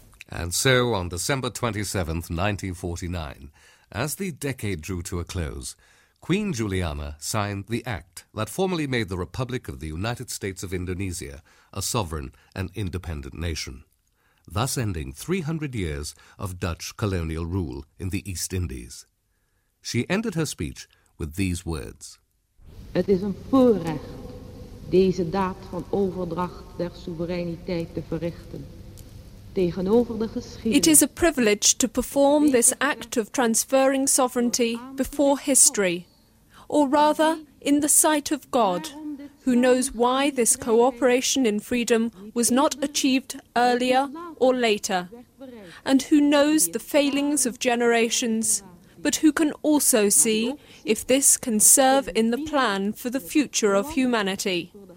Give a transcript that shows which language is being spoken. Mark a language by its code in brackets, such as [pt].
[en] And so, on December 27th, 1949, as the decade drew to a close, Queen Juliana signed the act that formally made the Republic of the United States of Indonesia a sovereign and independent nation, thus ending 300 years of Dutch colonial rule in the East Indies. She ended her speech with these words. [nl] Het is een voorrecht deze daad van overdracht der soevereiniteit te verrichten. [en] It is a privilege to perform this act of transferring sovereignty before history, or rather in the sight of God, who knows why this cooperation in freedom was not achieved earlier or later, and who knows the failings of generations, but who can also see if this can serve in the plan for the future of humanity.